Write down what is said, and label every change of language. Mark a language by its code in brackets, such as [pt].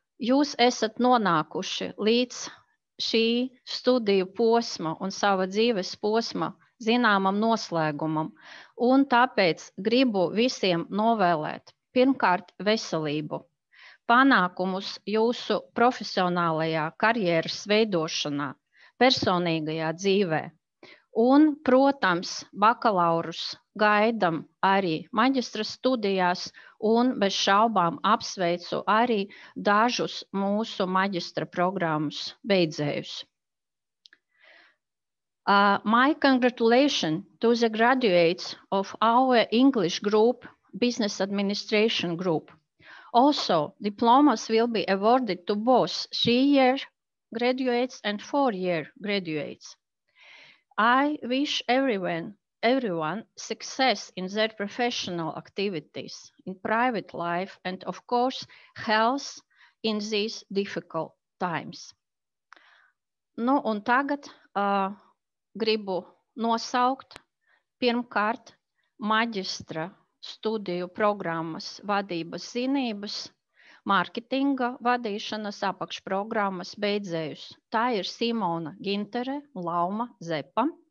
[lv] Jūs esat nonākuši līdz šī studiju posma un sava dzīves posma zināmam noslēgumam, un tāpēc gribu visiem novēlēt pirmkārt veselību, panākumus jūsu profesionālajā karjeras veidošanā, personīgajā dzīvē. Un, protams, bakalaurus gaidam arī maģistra studijās un bez šaubām apsveicu arī dažus mūsu maģistra programmas beidzējus. [en] My congratulations to the graduates of our English group, Business Administration group. Also, diplomas will be awarded to both 3-year graduates and 4-year graduates. I wish everyone success in their professional activities, in private life, and of course, health in these difficult times. [lv] Nu, un tagad gribu nosaukt pirmkārt maģistra studiju programmas vadības zinības, mārketinga vadīšanas apakšprogrammas beidzējus. Tā ir Simona Gintere, Lauma Zepa.